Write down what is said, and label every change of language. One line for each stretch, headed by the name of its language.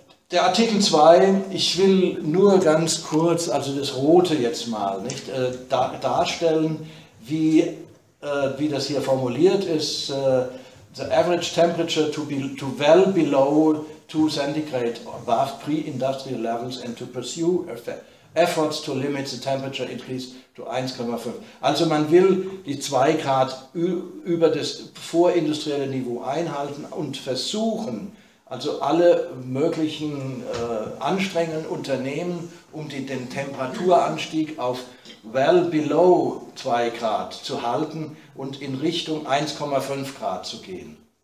German: Der Artikel 2, ich will nur ganz kurz, also das Rote jetzt mal, nicht, darstellen, wie das hier formuliert ist.
English: The average temperature to well below 2 centigrade above pre-industrial levels and to pursue efforts to limit the temperature increase to 1,5.
German: Also man will die 2 Grad über das vorindustrielle Niveau einhalten und versuchen, also alle möglichen Anstrengungen unternehmen, um den Temperaturanstieg auf
English: well below
German: 2 Grad zu halten und in Richtung 1,5 Grad zu gehen.